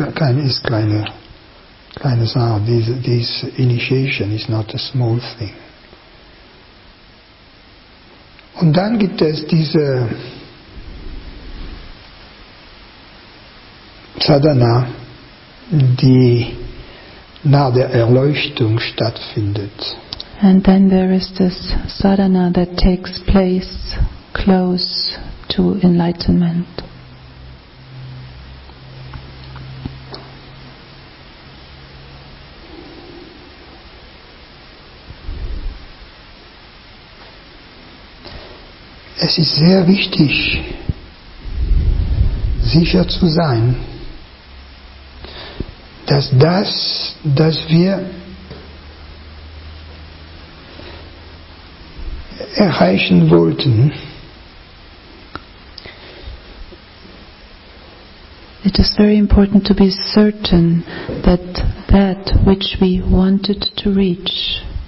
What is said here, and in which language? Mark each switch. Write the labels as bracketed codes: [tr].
[de] Keine Sache. [en] This initiation is not a small thing. [de] Und dann gibt es diese Sadhana, die nach der Erleuchtung stattfindet. [en] And then there is this sadhana that takes place close to enlightenment. [de] Es ist sehr wichtig, sicher zu sein, dass das, dass wir erreichen wollten. [en] It is very important to be certain that that which we wanted to reach